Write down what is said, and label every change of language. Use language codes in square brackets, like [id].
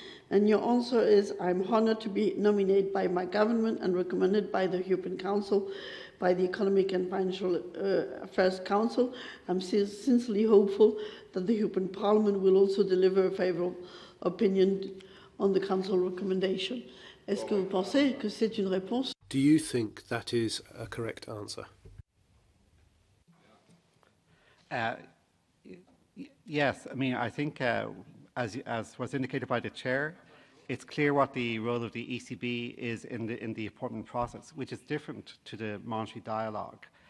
[en] And your answer is, I'm honored to be nominated by my government and recommended by the European Council, by the Economic and Financial Affairs Council. I'm sincerely hopeful that the European Parliament will also deliver a favorable opinion on the Council recommendation. [fr] Est-ce que vous pensez que c'est une réponse? [en] Do you think that is a correct answer? Yes, I mean, I think, as was indicated by the chair, it's clear what the role of the ECB is in the appointment process, which is different to the monetary dialogue.